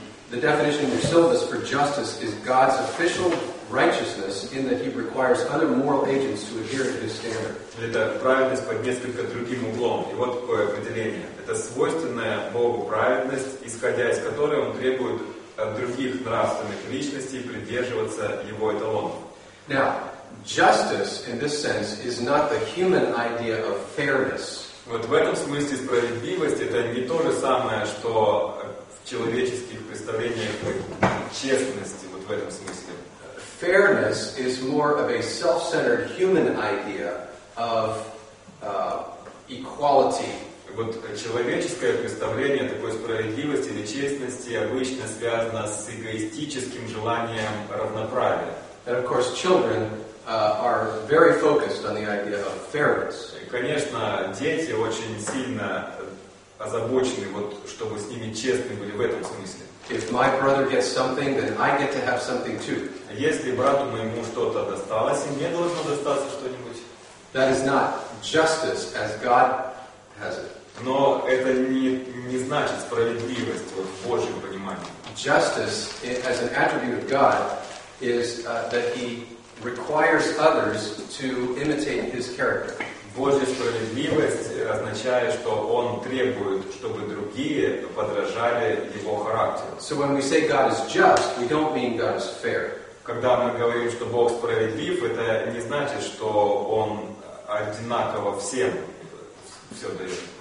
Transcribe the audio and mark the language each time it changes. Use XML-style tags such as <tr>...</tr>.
<en>The definition in your syllabus for justice is God's official righteousness, in that He requires other moral agents to adhere to His standard.</en> <ru>Это праведность под несколько другим углом. И вот такое определение. Это свойственная Богу праведность, исходя из которой Он требует от других нравственных личностей придерживаться Его эталона.</ru> <en>Now, justice in this sense is not the human idea of fairness.</en> <ru>Вот в этом смысле справедливость — это не то же самое, что человеческих представлениях честности, вот в этом смысле.</ru> <en>Fairness is more of a self-centered human idea of equality.</en> <ru>Вот человеческое представление такой справедливости или честности обычно связано с эгоистическим желанием равноправия.</ru> <en>And of course, children are very focused on the idea of fairness.</en> <ru>И, конечно, дети очень сильно озабочены, вот, чтобы с ними честны были в этом смысле.</ru> <en>If my brother gets something, then I get to have something too.</en> <ru>Если брату моему что-то досталось, и мне должно достаться что-нибудь.</ru> <en>That is not justice as God has it.</en> <ru>Но это не значит справедливость вот, в Божьем понимании.</ru> <en>Justice as an attribute of God is that He requires others to imitate His character.</en> <ru>Божья справедливость означает, что Он требует, чтобы другие подражали Его характеру.</ru> <en>So when we say God is just, we don't mean God is fair.</en> <ru>Когда мы говорим, что Бог справедлив, это не значит, что Он одинаково всем все дает.</ru>